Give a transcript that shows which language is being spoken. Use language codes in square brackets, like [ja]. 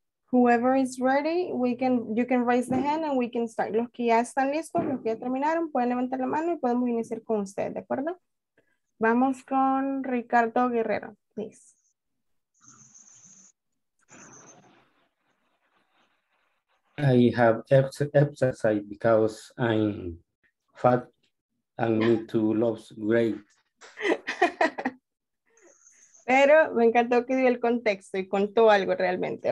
[en] Whoever is ready, you can raise the hand and we can start. [es] Los que ya están listos, los que ya terminaron, pueden levantar la mano y podemos iniciar con usted, ¿de acuerdo? Vamos con Ricardo Guerrero, please. [en] I have exercise because I'm fat and need to lose weight. [es] Pero me encantó que dio el contexto y contó algo realmente.